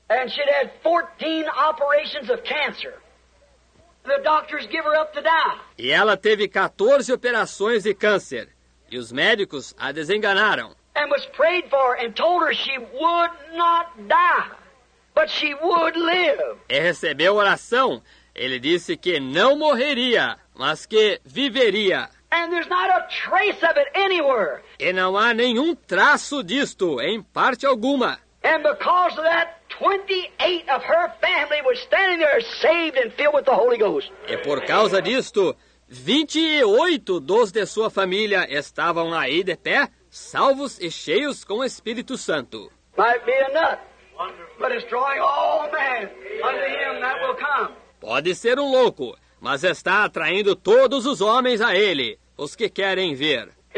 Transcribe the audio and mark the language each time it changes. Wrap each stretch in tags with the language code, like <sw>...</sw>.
<en>And she had 14 operations of cancer. The doctors give her up to die.</en> <pt>E ela teve 14 operações de câncer, e os médicos a desenganaram.</pt> <en>And was prayed for and told her she would not die, but she would live.</en> <pt>E recebeu oração, ele disse que não morreria, mas que viveria.</pt> <en>And there's not a trace of it anywhere.</en> <pt>E não há nenhum traço disto em parte alguma.</pt> <en>And because of that, 28 of her family were standing there saved and filled with the Holy Ghost.</en> <pt>E por causa disto, 28 dos de sua família estavam aí de pé, salvos e cheios com o Espírito Santo.</pt> <en>Might be a nut, but it's drawing all men unto him that will come.</en> <pt>Pode ser um louco, mas está atraindo todos os homens a ele, os que querem ver.</pt>